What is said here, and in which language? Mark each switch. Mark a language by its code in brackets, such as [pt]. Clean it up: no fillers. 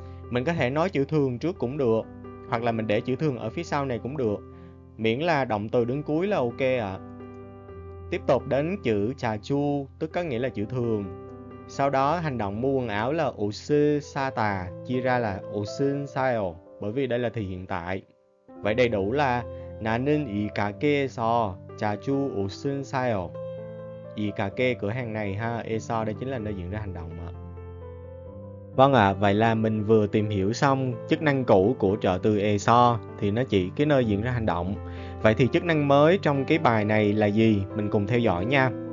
[vi] Mình có thể nói chữ thường trước cũng được, hoặc là mình để chữ thường ở phía sau này cũng được, miễn là động từ đứng cuối là ok ạ. Tiếp tục đến chữ trà chu, tức có nghĩa là chữ thường. Sau đó hành động mua quần áo là ủ sư sa tà, chia ra là ủ sư sao, bởi vì đây là thì hiện tại. Vậy đầy đủ là [ko] 나는 이 가게에서 자주 옷을 사요. [vi] 이 가게 cửa hàng này ha, 에서 đây chính là nơi diễn ra hành động ạ. Vâng ạ, vậy là mình vừa tìm hiểu xong chức năng cũ của trợ từ 에서, thì nó chỉ cái nơi diễn ra hành động. Vậy thì chức năng mới trong cái bài này là gì? Mình cùng theo dõi nha.